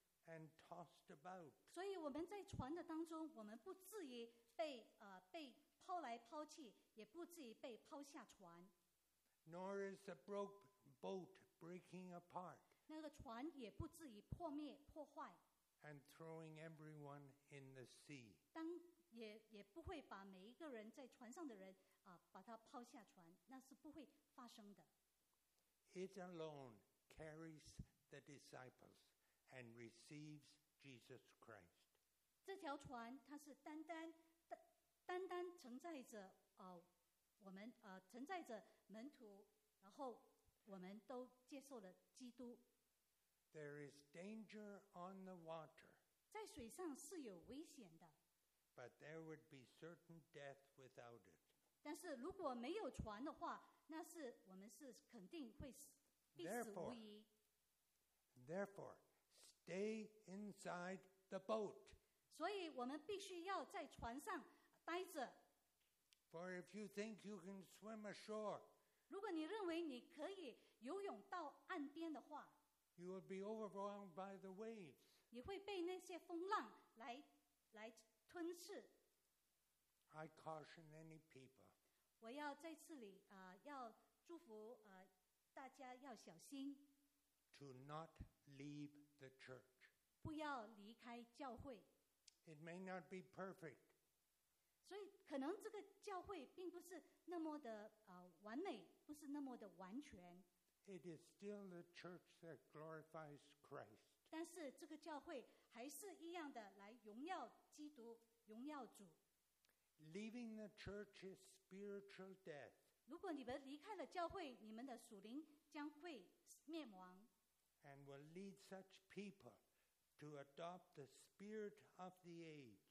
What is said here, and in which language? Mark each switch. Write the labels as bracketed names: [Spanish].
[English] And tossed about. [Chinese] 所以我们在船的当中，我们不至于被抛来抛去，也不至于被抛下船。 [English] Nor is a broke boat breaking apart. [Chinese] 那个船也不至于破灭破坏。 [English] And throwing everyone in the sea. [Chinese] 当也不会把每一个人在船上的人把他抛下船，那是不会发生的。 [English] It alone carries the disciples. And receives Jesus Christ. [Chinese] 这条船它是单单承载着我们承载着门徒，然后我们都接受了基督。 [English] There is danger on the water. [Chinese] 在水上是有危险的。 [English] But there would be certain death without it. [Chinese] 但是如果没有船的话，那是我们是肯定会必死无疑。 [English] Therefore. Stay inside the boat. [Chinese] 所以我们必须要在船上待着。 [English] For if you think you can swim ashore, [Chinese] 如果你认为你可以游泳到岸边的话， [English] you will be overwhelmed by the waves. [Chinese] 你会被那些风浪来吞噬。 [English] I caution any people. [Chinese] 我要在这里要祝福大家要小心。 [English] To not leave the church. [Chinese] 不要离开教会。 [English] It may not be perfect. [Chinese] 所以可能这个教会并不是那么的完美，不是那么的完全。 [English] It is still the church that glorifies Christ. [Chinese] 但是这个教会还是一样的来荣耀基督，荣耀主。 [English] Leaving the church is spiritual death. [Chinese] 如果你们离开了教会，你们的属灵将会灭亡。 [English] And will lead such people to adopt the spirit of the age.